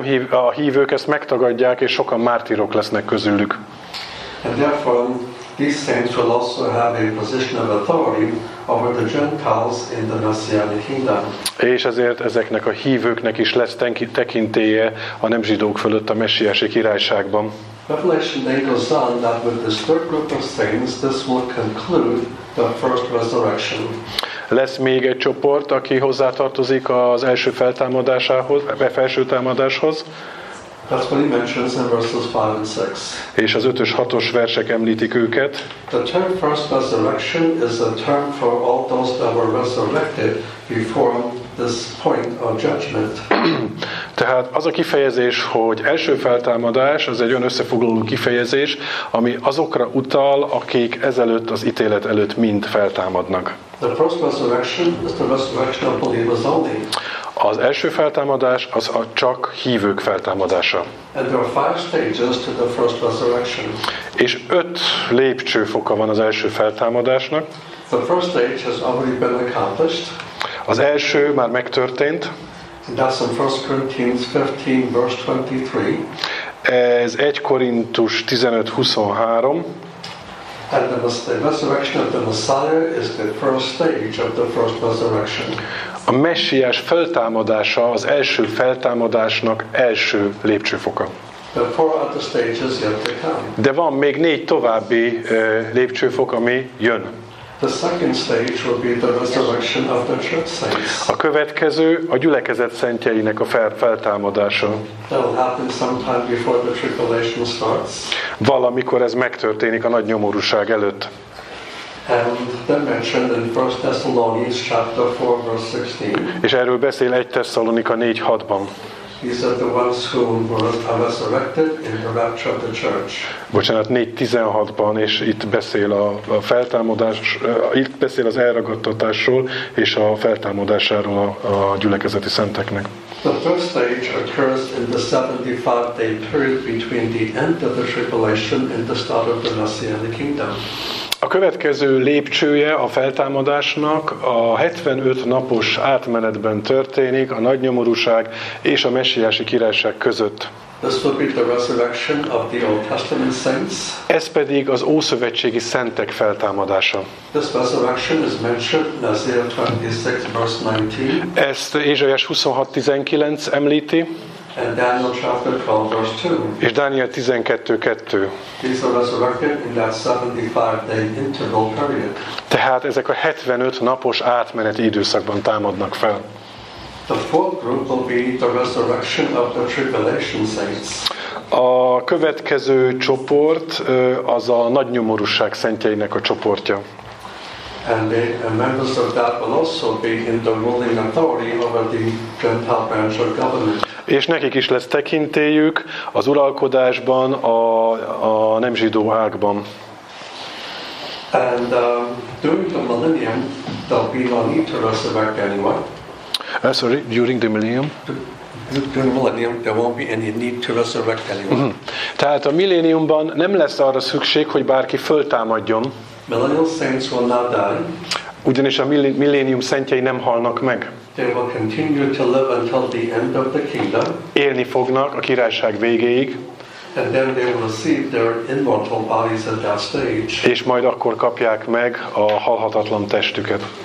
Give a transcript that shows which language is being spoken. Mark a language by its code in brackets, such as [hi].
[hu] A hívők ezt megtagadják, és sokan mártírok lesznek közülük. [en] And therefore, these saints will also have a position of authority over the Gentiles in the Messianic kingdom. [hu] És ezért ezeknek a hívőknek is lesz tekintélye a nem zsidók fölött a messiási királyságban. [en] Revelation 8 goes on that with this third group of saints, this will conclude the first resurrection. [hu] Lesz még egy csoport, aki hozzátartozik az első feltámadásához, a felső támadáshoz. [en] That's what he mentions in verses 5 and 6. [hu] És az 5-ös, 6-os versek említik őket. [en] The term first resurrection is a term for all those that were resurrected before this point of judgment. [hu] Tehát az a kifejezés, hogy első feltámadás, az egy olyan összefoglaló kifejezés, ami azokra utal, akik ezelőtt, az ítélet előtt mind feltámadnak. [en] The first resurrection is the resurrection of believers only. [hu] Az első feltámadás az a csak hívők feltámadása. [en] And there are five stages to the first resurrection. [hu] És 5 lépcsőfoka van az első feltámadásnak. [en] The first stage has already been accomplished. [hu] Az első már megtörtént. [en] That's in 1 Corinthians 15, verse 23. [hu] Ez 1 Korintus 15:23. [en] And the resurrection of the Messiah is the first stage of the first resurrection. [hu] A messiás feltámadása az első feltámadásnak első lépcsőfoka. [en] The four other stages yet to come. [hu] De van még 4 további lépcsőfok, ami jön. [en] The second stage will be the resurrection of the church saints. [hu] A következő a gyülekezet szentjeinek a feltámadása. [en] That will happen sometime before the tribulation starts. [hu] Valamikor ez megtörténik a nagy nyomorúság előtt. [en] And then mentioned in 1 Thessalonians chapter 4 verse 16. [hu] És erről beszél 1 Thessalonika 4:6-ban. [en] These are the ones who were resurrected in the rapture of the church. [hu] Bocsánat, 4:16-ban, és itt beszél a feltámadás, itt beszél az elragadtatásról és a feltámadásáról a gyülekezeti szenteknek. [en] The first stage occurs in the 75-day period between the end of the tribulation and the start of the Messianic kingdom. [hu] A következő lépcsője a feltámadásnak a 75 napos átmenetben történik a nagy nyomorúság és a messiási királyság között. [en] This will be the resurrection of the Old Testament saints. [hu] Ez pedig az ószövetségi szentek feltámadása. [en] This resurrection is mentioned in Isaiah 26 verse 19. [hu] Ezt Ézsaiás 26:19 említi. [en] And Daniel chapter 12 verse 2. [hu] És Dániel 12:2. [en] These are resurrected in that 75-day interval period. [hu] Tehát ezek a 75 napos átmeneti időszakban támadnak fel. [en] The fourth group will be the resurrection of the tribulation saints. [hu] A következő csoport az a nagy nyomorúság szentjeinek a csoportja. [en] And the members of that will also be in the ruling authority over the Gentile branch of government. [hu] És nekik is lesz tekintélyük az uralkodásban, a nem zsidó ágban. [en] And during the millennium, there will be no need to resurrect anyone. Sorry, during the millennium? During the millennium, there won't be any need to resurrect anyone. Mm-hmm. [hu] Tehát a milléniumban nem lesz arra szükség, hogy bárki föltámadjon. [en] Millennial saints will not die. [hu] Ugyanis a millénium szentjei nem halnak meg. [en] They will continue to live until the end of the kingdom. [hu] Élni fognak a királyság végéig. [en] And then they will receive their immortal bodies at that stage. [hu] És majd akkor kapják meg a halhatatlan testüket.